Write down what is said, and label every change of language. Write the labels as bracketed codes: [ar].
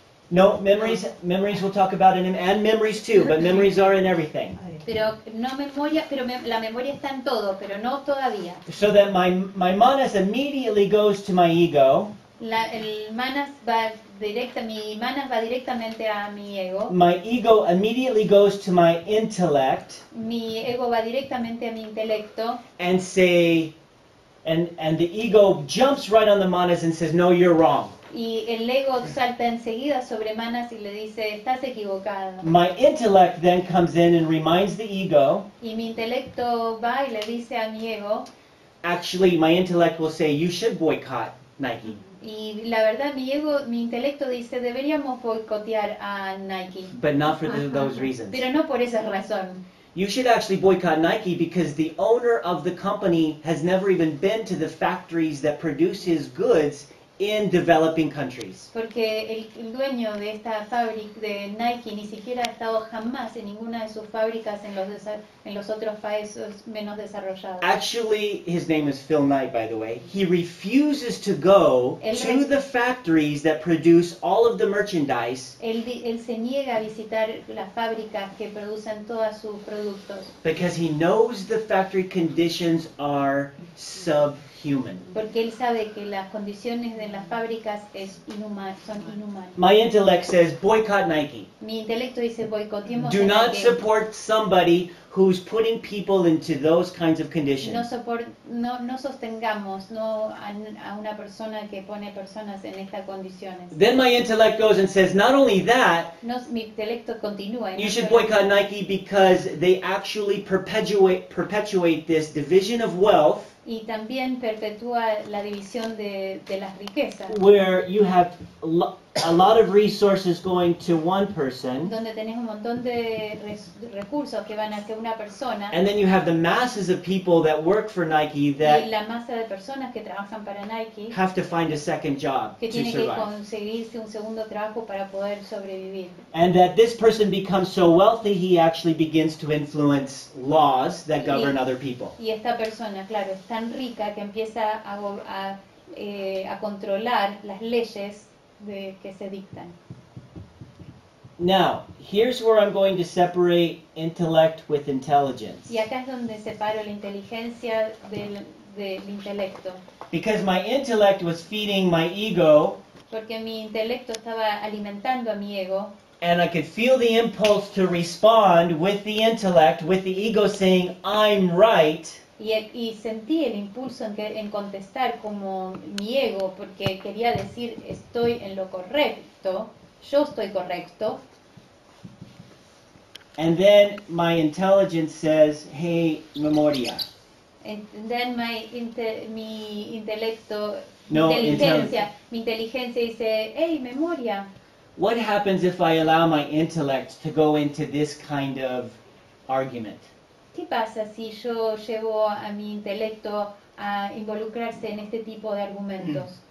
[en] No, memories we'll talk about in, and memories too, but memories are in everything. [es] Pero no memoria, pero la memoria está en todo, pero no todavía. [en] So that my manas immediately goes to my ego. [es] Mi manas va directamente a mi ego. [en] My ego immediately goes to my intellect. [es] Mi ego va directamente a mi intelecto. [en] And say, and the ego jumps right on the manas and says, no, you're wrong. [es] Y el ego salta enseguida sobre manas y le dice, estás equivocado. [en] My intellect then comes in and reminds the ego. [es] Y mi intelecto va y le dice a mi ego. [en] Actually, my intellect will say, you should boycott Nike. [es] Y la verdad, mi ego, mi intelecto dice, deberíamos boycottear a Nike. [en] But not for those reasons. [es] Pero no por esa razón. [en] You should actually boycott Nike because the owner of the company has never even been to the factories that produce his goods in developing countries. [es] Porque el dueño de esta fábrica de Nike ni siquiera ha estado jamás en ninguna de sus fábricas en los otros países menos desarrollados. [en] Actually, his name is Phil Knight, by the way. He refuses to go to the factories that produce all of the merchandise. [es] Él se niega a visitar las fábricas que producen todos sus productos. [en] Because he knows the factory conditions are subhuman. [es] Porque él sabe que las condiciones de las fábricas son inhumanas. [en] My intellect says, boycott Nike. [es] Mi intelecto dice, boicoteemos Nike. [en] Do not support somebody who's putting people into those kinds of conditions. [es] No sostengamos a una persona que pone personas en estas condiciones. [en] Then my intellect goes and says, not only that, [es] mi intelecto continúa. [en] You should boycott Nike because they actually perpetuate this division of wealth. [es] Y también perpetúa la división de las riquezas. [en] Where you have a lot of resources going to one person. [es] Donde tenés un montón de recursos que van hacia una persona. [en] And then you have the masses of people that work for Nike that [es] y la masa de personas que trabajan para Nike [en] have to find a second job [es] que [en] to survive. [es] Que tienen que conseguirse un segundo trabajo para poder sobrevivir. [en] And that this person becomes so wealthy he actually begins to influence laws that govern other people. [es] Y esta persona, claro, es tan rica que empieza a controlar las leyes que se dictan. [en] Now, here's where I'm going to separate intellect with intelligence. [es] Y acá es donde separo la inteligencia del intelecto. [en] Because my intellect was feeding my ego. [es] Porque mi intelecto estaba alimentando a mi ego. [en] And I could feel the impulse to respond with the intellect, with the ego saying, I'm right. [es] Y sentí el impulso en contestar como mi ego, porque quería decir, estoy en lo correcto, yo estoy correcto. [en] And then my intelligence says, hey, memoria. And then [es] mi inteligencia dice, hey, memoria. [en] What happens if I allow my intellect to go into this kind of argument? [es] ¿Qué pasa si yo llevo a mi intelecto a involucrarse en este tipo de argumentos?